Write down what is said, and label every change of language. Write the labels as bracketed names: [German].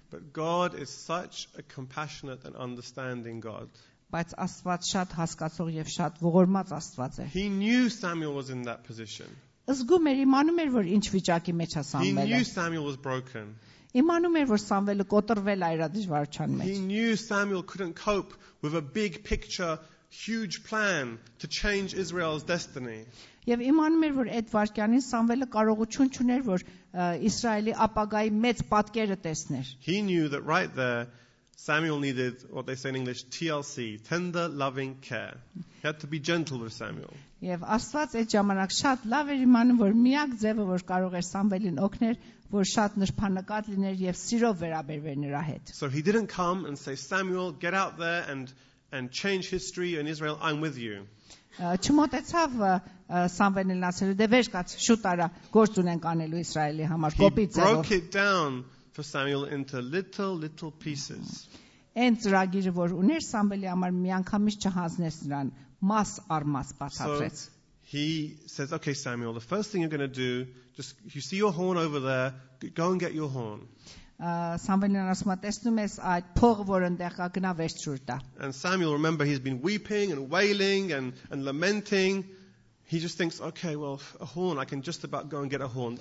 [English] But God is such a compassionate and understanding God. [Armenian] Բայց Աստված շատ հասկացող եւ շատ ողորմած Աստված է։ [English] He knew Samuel was in that position. [Armenian] Զգում էր, իմանում էր, որ ինչ վիճակի մեջ է Սամվելը։ [English] He knew Samuel was broken. [Armenian] Իմանում էր, որ Սամվելը կոտրվել է իր դժվարության մեջ։ [English] He knew Samuel couldn't cope with a big picture, huge plan to change Israel's destiny. [Armenian] Եվ իմանում էր, որ այդ վարքյանին Սամվելը կարողություն չուներ, որ Իսրայելի ապագայի մեծ պատկերը տեսներ։ [English] He knew that right there Samuel needed what they say in English TLC, tender loving care. He had to be gentle with Samuel. [Armenian] Եվ Աստված այդ ժամանակ շատ լավ էր իմանում, որ միակ ձևը, որ կարող էր Սամվելին օգնել, որ շատ նրբանկատ լիներ եւ սիրով վերաբերվեր նրա հետ։ [English] So he didn't come and say, Samuel, get out there and and change history in Israel, I'm with you. [Armenian] Չմոտեցավ Սամվելին ասելու, դե վեր կաց, շուտ արա, գործ ունենք անելու Իսրայելի համար, կոպի ձեռով. [English] He broke it down for Samuel into little pieces. [Armenian] Այն ծրագիրը, որ ուներ Սամվելի համար, միանգամից չհանձնեց նրան, մաս առ մաս բացատրեց. [English] He says, okay, Samuel, the first thing you're going to do, just you see your horn over there, go and get your horn. And Samuel, remember, he's been weeping and wailing and lamenting. He just thinks, okay, well, a horn, I can just about go and get a horn.